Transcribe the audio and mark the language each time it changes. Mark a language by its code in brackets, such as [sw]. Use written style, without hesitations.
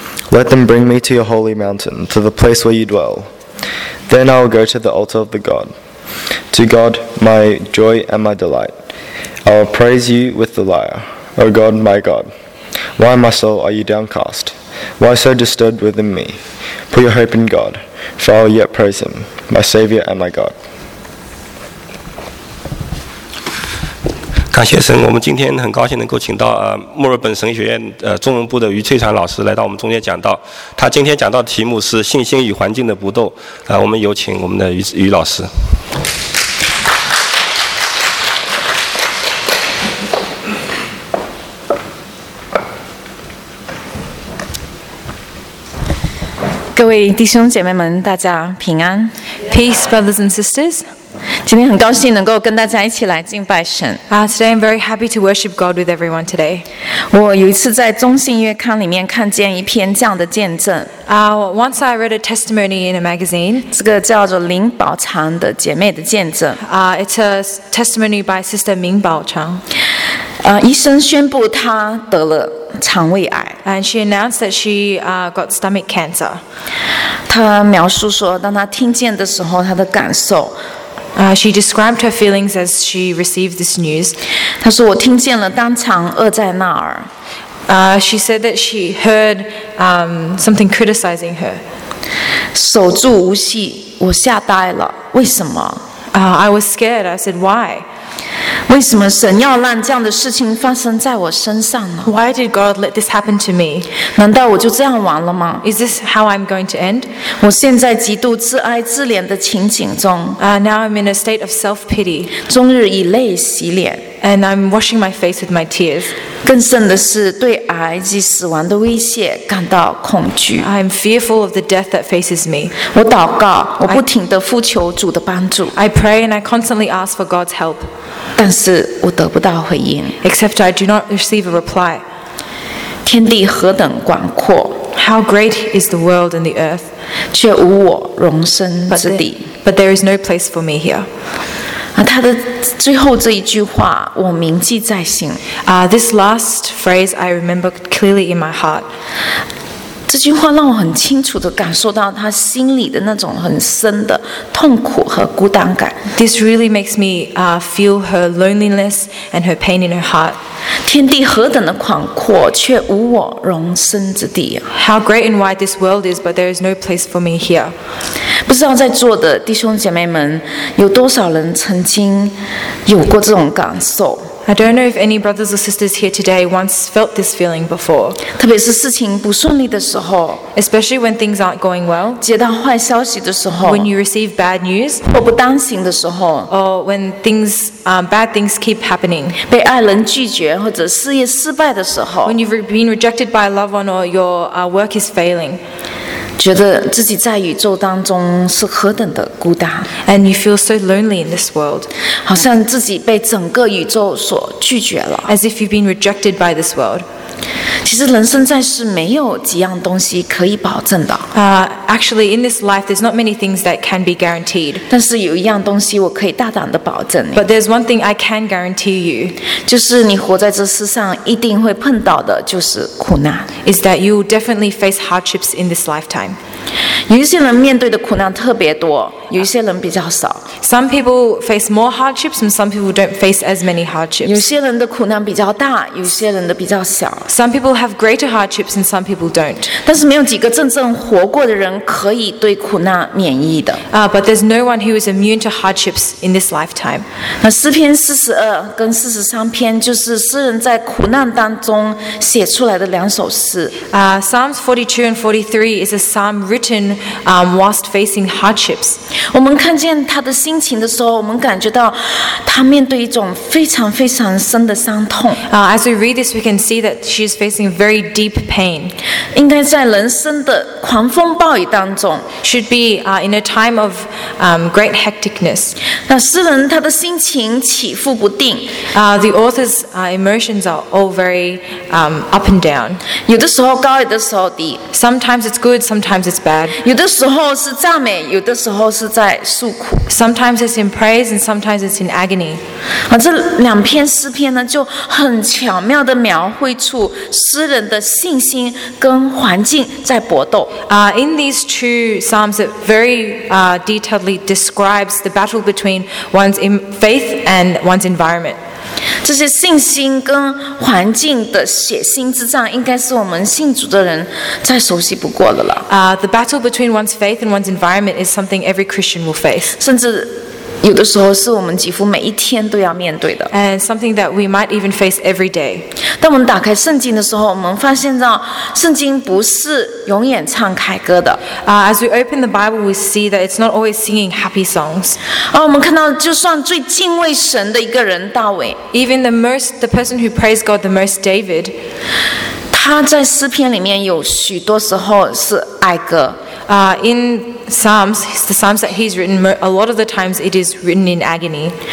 [en] Let them bring me to your holy mountain, to the place where you dwell. Then I will go to the altar of the God, to God, my joy and my delight. I will praise you with the lyre. O God, my God, why, my soul, are you downcast? Why so disturbed within me? Put your hope in God, for I will yet praise him, my Savior and my God. [zh] 感谢神，我们今天很高兴能够请到墨尔本神学院中文部的余翠传老师来到我们中间讲道。他今天讲到的题目是信心与环境的搏斗。我们有请我们的余老师。各位弟兄姐妹们，大家平安。 [en] Peace, brothers and sisters. [zh] 今天很高兴能够跟大家一起来敬拜神。 [en] Today I'm very happy to worship God with everyone today. [zh] 我有一次在中信月刊里面看见一篇这样的见证。 [en] Once I read a testimony in a magazine. [zh] 这个叫做林宝长的姐妹的见证。 [en] It's a testimony by Sister 明宝长。 [zh] 医生宣布她得了肠胃癌。 [en] And she announced that she got stomach cancer. [zh] 她描述说，当她听见的时候，她的感受。 [en] She described her feelings as she received this news. [zh] 她说我听见了，当场扼在那儿。 [en] She said that she heard something criticizing her. [zh] 手足无息，我吓呆了。为什么？ [en] I was scared. I said why? [zh] 为什么神要让这样的事情发生在我身上呢？ [en] Why did God let this happen to me? [zh] 难道我就这样完了吗？ [en] Is this how I'm going to end? [zh] 我现在极度自哀自怜的情景中。 [en] Now I'm in a state of self-pity. [zh] 终日以泪洗脸。 [en] And I'm washing my face with my tears. [zh] 更甚的是对癌及死亡的威胁感到恐惧。 [en] I'm fearful of the death that faces me. [zh] 我祷告，我不停地呼求主的帮助。 [en] I pray and I constantly ask for God's help. [zh] 但是我得不到回应。 [en] Except I do not receive a reply. [zh] 天地何等广阔。 [en] How great is the world and the earth. [zh] 却无我容身之地。 [en] But there is no place for me here. [zh] 他的最后这一句话我铭记在心。 [en] This last phrase I remember clearly in my heart. [zh] 这句话让我很清楚地感受到他心里的那种很深的痛苦和孤单感。 [en] This really makes me feel her loneliness and her pain in her heart. [zh] 天地何等的广阔，却无我容身之地。 [en] How great and wide this world is, but there is no place for me here. [zh] 不知道在座的弟兄姐妹们，有多少人曾经有过这种感受？ [en] I don't know if any brothers or sisters here today once felt this feeling before. [zh] 特别是事情不顺利的时候， [en] especially when things aren't going well. [zh] 接到坏消息的时候， [en] when you receive bad news. [zh] 或不担心的时候， [en] or when things, bad things keep happening. [zh] 被爱人拒绝或者事业失败的时候， [en] when you've been rejected by a loved one or your work is failing. [zh] 觉得自己在宇宙当中是何等的孤单。 [en] And you feel so lonely in this world. [zh] 好像自己被整个宇宙所拒绝了。 [en] As if you've been rejected by this world. [zh] 其实人生在世没有几样东西可以保证的。 [en] Actually, in this life, there's not many things that can be guaranteed. [zh] 但是有一样东西我可以大胆地保证你。 [en] But there's one thing I can guarantee you. [zh] 就是你活在这世上一定会碰到的就是苦难。 [en] Is that you will definitely face hardships in this lifetime. [zh] 有一些人面对的苦难特别多，有一些人比较少。 [en] Some people face more hardships, and some people don't face as many hardships. [zh] 有些人的苦难比较大，有些人的比较小。 [en] Some people have greater hardships, and some people don't. [zh] 但是没有几个真正活过的人可以对苦难免疫的。 [en] But there's no one who is immune to hardships in this lifetime. [zh] 那诗篇四十二跟四十三篇就是诗人在苦难当中写出来的两首诗。 [en] Psalms 42 and 43 is a psalm written. Whilst facing hardships, [zh] 我们看见他的心情的时候，我们感觉到他面对一种非常非常深的伤痛。 [en] As we read this, we can see that she is facing very deep pain. [zh] 应该在人生的狂风暴雨当中 [en] should be in a time of great hecticness. [zh] 那诗人他的心情起伏不定。 [en] The author's emotions are all very up and down. [zh] 有的时候高，有的时候低。 [en] Sometimes it's good, sometimes it's bad. [zh] 有的时候是赞美，有的时候是在诉苦。 [en] Sometimes it's in praise and sometimes it's in agony. [zh] 这两篇诗篇呢，就很巧妙地描绘出诗人的信心跟环境在搏斗。 [en] In these two psalms, it very detailedly describes the battle between one's faith and one's environment. [zh] 这些信心跟环境的血腥之战，应该是我们信主的人再熟悉不过的了。 [en] The battle between one's faith and one's environment is something every Christian will face. [zh] 甚至有的时候是我们几乎每一天都要面对的。 [en] And something that we might even face every day. [zh] 当我们打开圣经的时候，我们发现到圣经不是永远唱凯歌的。 [en] As we open the Bible, we see that it's not always singing happy songs. [zh] 我们看到就算最敬畏神的一个人大卫。 [en] Even the person who praised God the most, David. [zh] 他在诗篇里面有许多时候是哀歌。 [en] In Psalms, the Psalms that he's written, a lot of the times it is written in agony.